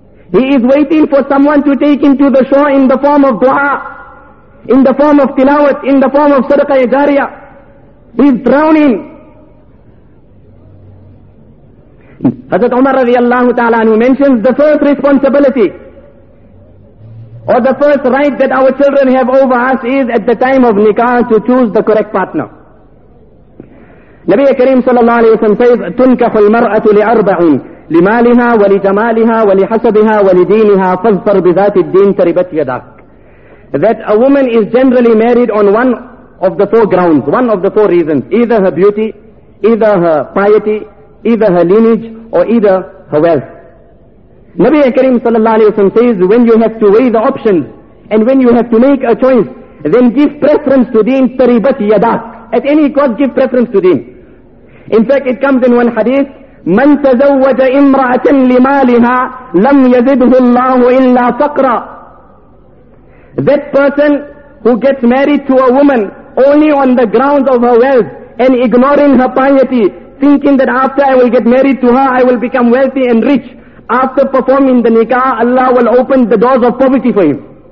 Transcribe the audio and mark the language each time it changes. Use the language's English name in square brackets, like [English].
[English] He is waiting for someone to take him to the shore in the form of dua, in the form of tilawat, in the form of sadaqah jariya. He is drowning. Hazrat Umar radiallahu ta'ala anhu mentions the first responsibility or the first right that our children have over us is at the time of nikah to choose the correct partner. [Arabic] Nabi Kareem sallallahu alayhi wa sallam says, تُنْكَحُ الْمَرْأَةُ لِأَرْبَعٍ لِمَالِهَا وَلِجَمَالِهَا وَلِحَسَبِهَا وَلِدِينِهَا فَاظْفَرْ بِذَاتِ الدِّينِ تَرِبَتْ يَدَاكَ. [English] That a woman is generally married on one of the four grounds, one of the four reasons, either her beauty, either her piety, either her lineage, or either her wealth. Nabi Kareem sallallahu alayhi wa sallam says, when you have to weigh the options, and when you have to make a choice, then give preference to deen [Arabic] taribat yadak. [English] At any cost, give preference to deen. In fact, it comes in one hadith, [Arabic] مَنْ تَزَوَّجَ إِمْرَأَةً لِمَالِهَا لَمْ يَزِدْهُ اللَّهُ إِلَّا فَقْرًا. [English] That person who gets married to a woman only on the grounds of her wealth and ignoring her piety, thinking that after I will get married to her, I will become wealthy and rich. After performing the nikah, Allah will open the doors of poverty for him.